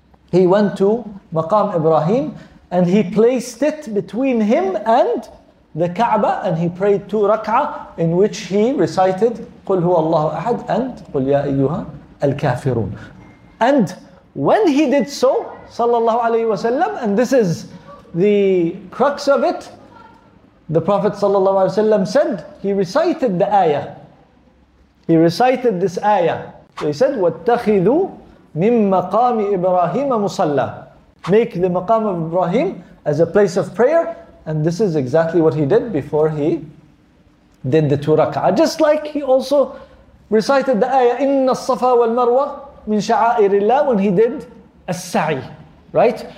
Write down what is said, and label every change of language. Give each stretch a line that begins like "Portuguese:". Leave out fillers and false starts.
English: he went to Maqam Ibrahim and he placed it between him and the Kaaba, and he prayed two rak'ah in which he recited
Arabic: قُلْ هُوَ اللَّهُ أَحَدْ
English: and
Arabic: قُلْ يَا أَيُّهَا الْكَافِرُونَ.
English: And when he did so, sallallahu alayhi wasallam, and this is the crux of it, the Prophet sallallahu alayhi wasallam said, he recited the ayah. He recited this ayah. So he said,
Arabic: وَاتَّخِذُوا مِن مَقَامِ إِبْرَاهِيمَ مُصَلَّى.
English: Make the Maqam of Ibrahim as a place of prayer. And this is exactly what he did before he did the two rak'ah. Just like he also recited the ayah,
Arabic: إِنَّ الصَّفَى وَالْمَرْوَى مِن شَعَائِرِ اللَّهِ,
English: when he did as-sa'i. Right?